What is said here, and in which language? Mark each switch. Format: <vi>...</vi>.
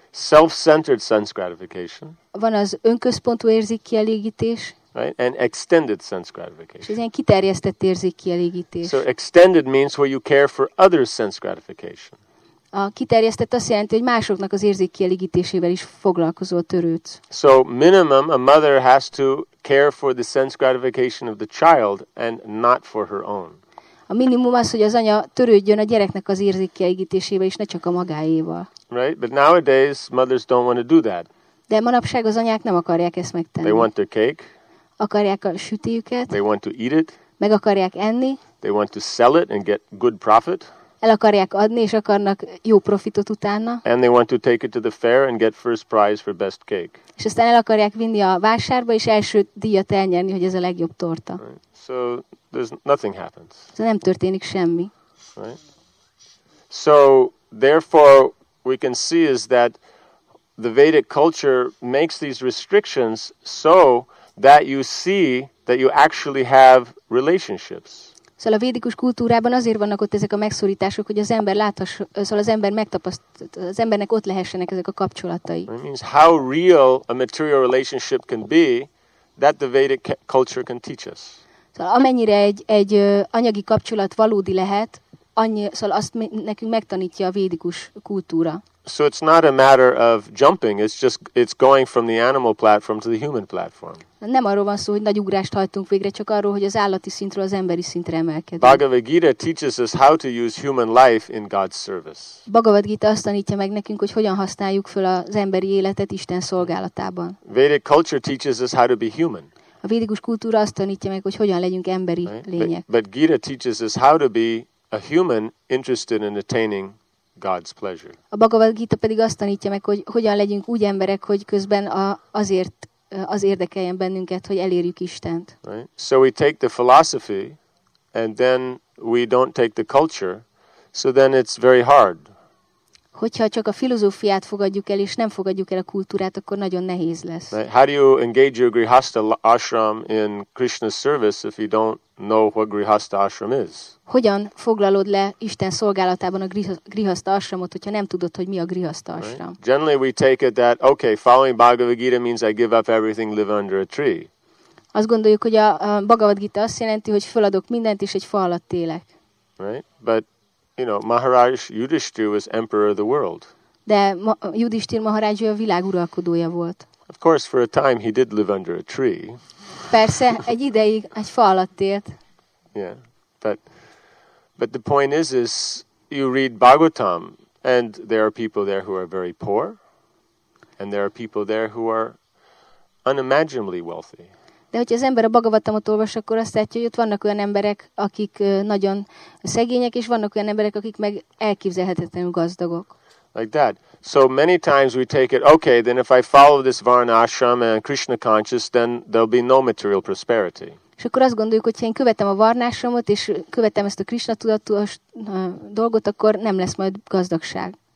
<en>Self-centered sense gratification.</en> <hu>Van az önközpontú érzékkielégítés.</hu> <en>Right? And extended sense gratification.</en> <hu>És ez ilyen kiterjesztett érzékkielégítés.</hu> <en>So extended means where you care for other sense gratification.</en> <hu>A kiterjesztett azt jelenti, hogy másoknak az érzékkielégítésével is foglalkozol, törődsz.</hu> <en>So minimum a mother has to care for the sense gratification of the child and not for her own.</en> <hu>A minimum az, hogy az anya törődjön a gyereknek az érzékkielégítésével és ne csak a magáéval.</hu> <en>Right, but nowadays mothers don't want to do that.</en> <hu>De manapság az anyák nem akarják ezt megtenni.</hu> <en>They want their cake.</en> <hu>Akarják a sütéjüket.</hu> <en>They want to eat it.</en> <hu>Meg akarják enni.</hu> <en>They want to sell it and get good profit.</en> <hu>El akarják adni, és akarnak jó profitot utána.</hu> <en>And they want to take it to the fair and get first prize for best cake.</en> <hu>És aztán el akarják vinni a vásárba, és első díjat elnyerni, hogy ez a legjobb torta.</hu> <en>Right. So there's nothing happens.</en> <hu>Szóval nem történik semmi.</hu> <en>Right. So therefore we can see is that the Vedic culture makes these restrictions so that you see that you actually have relationships.</en> <hu>Szóval a védikus kultúrában azért vannak ott ezek a megszorítások, hogy az ember láthassa, szóval az ember megtapasztalt, az embernek ott lehessenek ezek a kapcsolatai.</hu> <en>It means how real a material relationship can be that the Vedic culture can teach us.</en> <hu>Szóval amennyire egy anyagi kapcsolat valódi lehet, annyi, szóval azt nekünk megtanítja a védikus kultúra.</hu> <en>So it's not a matter of jumping, it's going from the animal platform to the human platform.</en> <hu>Nem arról van szó, hogy nagy ugrást hajtunk végre, csak arról, hogy az állati szintről az emberi szintre emelkedünk.</hu> <en>Bhagavad Gita teaches us how to use human life in God's service.</en> <hu>Bhagavad Gita azt tanítja meg nekünk, hogy hogyan használjuk fel az emberi életet Isten szolgálatában.</hu> <en>Vedic culture teaches us how to be human.</en> <hu>A védikus kultúra azt tanítja meg, hogy hogyan legyünk emberi lények.</hu> <en>But Gita teaches us how to be a human interested in attaining God's pleasure.</en> <hu>A Bhagavad Gita pedig azt tanítja meg, hogy hogyan legyünk úgy emberek, hogy közben azért az érdekeljen bennünket, hogy elérjük Istent.</hu> <en>Right? So we take the philosophy and then we don't take the culture, so then it's very hard.</en> <hu>Hogyha csak a filozófiát fogadjuk el és nem fogadjuk el a kultúrát, akkor nagyon nehéz lesz.</hu> <en>Right? How do you engage your grihastha ashram in Krishna's service if you don't know what grihastha ashram is?</en> <hu>Hogyan foglalod le Isten szolgálatában a grihastha ashramot, hogyha nem tudod, hogy mi a grihastha ashram?</hu> <en>Right? Generally we take it that okay, following Bhagavad Gita means I give up everything, live under a tree.</en> <hu>Azt gondoljuk, hogy a Bhagavad Gita azt jelenti, hogy feladok mindent és egy fa alatt élek.</hu> <en>Right? But you know, Maharaj Yudhishthir was emperor of the world.</en> <hu>De Yudhishthir Maharaj a világ uralkodója volt.</hu> <en>Of course, for a time he did live under a tree.</en> <hu>Persze, egy ideig egy fa alatt élt.</hu> <en>Yeah, but the point is you read Bhagavatam And there are people there who are very poor, and there are people there who are unimaginably wealthy.</en> <hu>De hogyha az ember a Bhagavatamot olvas, akkor azt látja, hogy ott vannak olyan emberek, akik nagyon szegények, és vannak olyan emberek, akik meg elképzelhetetlenül gazdagok.</hu> <en>Like that. So many times we take it, okay, then if I follow this Varnashram and Krishna conscious, then there'll be no material prosperity.</en> <hu>És akkor azt gondoljuk, hogy ha én követem a Varnashramot, és követem ezt a Krishna tudatos dolgot, akkor nem lesz majd gazdagság.</hu>